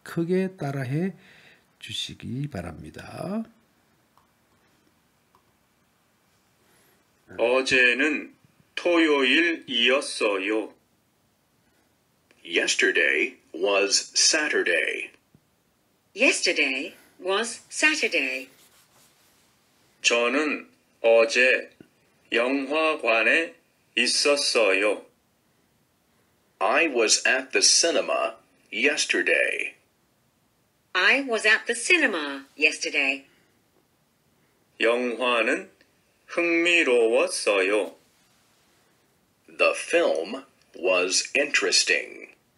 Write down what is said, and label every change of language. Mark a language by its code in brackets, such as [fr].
[ko] 크게 따라해 주시기 바랍니다. 어제는 토요일이었어요. [en] Yesterday was Saturday. Yesterday was Saturday. [ko] 저는 어제 영화관에 있었어요. [en] I was at the cinema yesterday. I was at the cinema yesterday. [ko] 영화는 흥미로웠어요. [en] The film was interesting.